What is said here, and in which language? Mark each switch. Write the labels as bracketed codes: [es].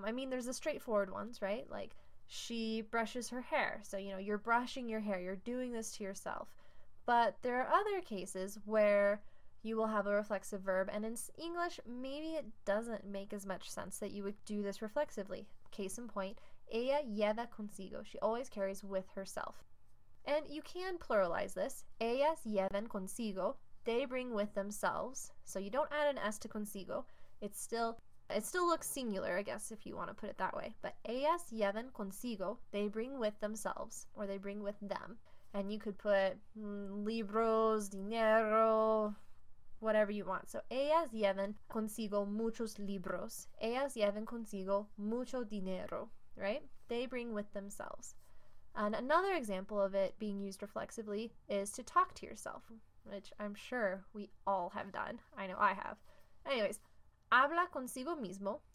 [en] There's the straightforward ones, right? Like, she brushes her hair. So, you know, you're brushing your hair, you're doing this to yourself. But there are other cases where you will have a reflexive verb, and in English, maybe it doesn't make as much sense that you would do this reflexively. Case in point, [es] ella lleva consigo. [en] She always carries with herself. And you can pluralize this. [es] Ellas llevan consigo. [en] They bring with themselves. So you don't add an S to consigo. It still looks singular, I guess, if you want to put it that way. But [es] ellas llevan consigo. [en] They bring with themselves, or they bring with them. And you could put libros, dinero, whatever you want. So [es] ellas llevan consigo muchos libros. Ellas llevan consigo mucho dinero, right? [en] They bring with themselves. And another example of it being used reflexively is to talk to yourself, which I'm sure we all have done. I know I have. Anyways, [es] habla consigo mismo.